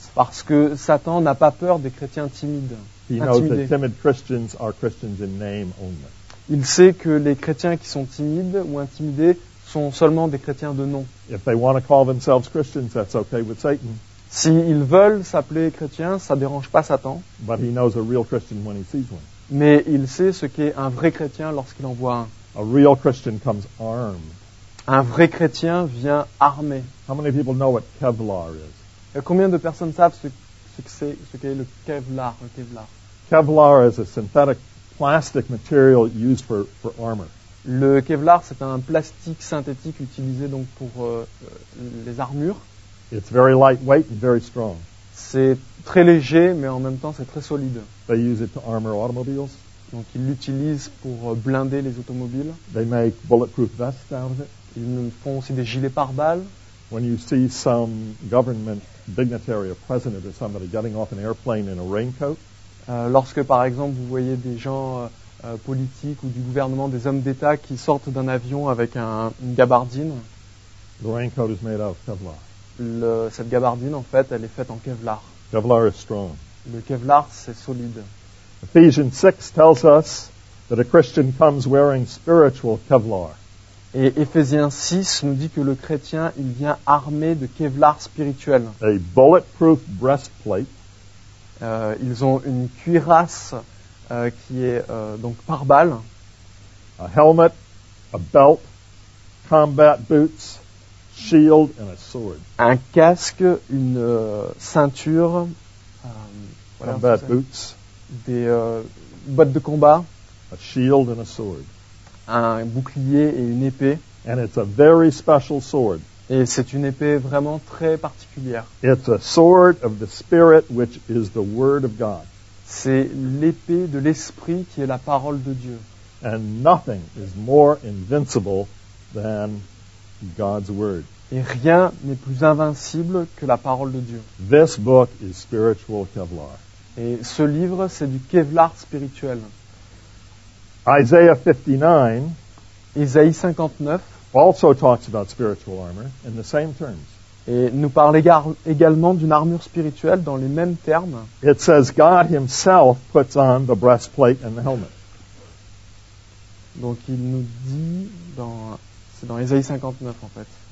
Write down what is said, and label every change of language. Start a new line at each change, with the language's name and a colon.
French: Parce que Satan n'a pas peur des chrétiens timides.
English: He knows that timid Christians are Christians in name only.
French: Il sait que les chrétiens qui sont timides ou intimidés sont seulement des chrétiens de nom.
English: If they want to call themselves Christians, that's okay with Satan.
French: Si ils veulent s'appeler chrétiens, ça dérange pas Satan.
English: But he knows a real Christian when he sees one.
French: Mais il sait ce qu'est un vrai chrétien lorsqu'il en voit un.
English: A real Christian comes armed.
French: Un vrai chrétien vient armé.
English: How many people know what Kevlar is?
French: Et combien de personnes savent ce qu'est le Kevlar, le Kevlar?
English: Kevlar is a synthetic plastic material used for armor.
French: Le Kevlar, c'est un plastique synthétique utilisé donc pour les armures.
English: It's very lightweight and very strong.
French: C'est très léger, mais en même temps, c'est très solide.
English: They use it to armor automobiles.
French: Donc ils l'utilisent pour blinder les automobiles.
English: They make bulletproof vests out of it.
French: Ils font aussi des gilets pare-balles.
English: When you see some government dignitary or president or somebody getting off an airplane in a raincoat.
French: Lorsque par exemple vous voyez des gens politiques ou du gouvernement, des hommes d'État qui sortent d'un avion avec une gabardine.
English: The raincoat is made out of Kevlar.
French: Cette gabardine en fait, elle est faite en Kevlar.
English: Kevlar is strong.
French: Le Kevlar, c'est solide.
English: Ephesians 6 tells us that a Christian comes wearing spiritual Kevlar.
French: Et Ephésiens 6 nous dit que le chrétien, il vient armé de Kevlar spirituel.
English: A bulletproof breastplate.
French: Ils ont une cuirasse qui est donc pare-balles.
English: A helmet, a belt, combat boots, shield and a sword.
French: Un casque, une ceinture,
English: combat boots.
French: Des bottes de combat,
English: a shield and a sword.
French: Un bouclier et une épée.
English: And it's a very special sword.
French: Et c'est une épée vraiment très particulière.
English: It's a sword of the Spirit, which is the Word of God.
French: C'est l'épée de l'Esprit qui est la parole de Dieu.
English: And nothing is more invincible than God's Word.
French: Et rien n'est plus invincible que la parole de Dieu.
English: This book is spiritual Kevlar.
French: Et ce livre, c'est du Kevlar spirituel.
English: Isaiah 59,
French: Isaïe 59
English: also talks about spiritual armor in the same terms.
French: Et nous parle également d'une armure spirituelle dans les mêmes termes.
English: It says God himself puts on the breastplate and the helmet.
French: Donc il nous dit c'est dans Isaïe 59 en fait.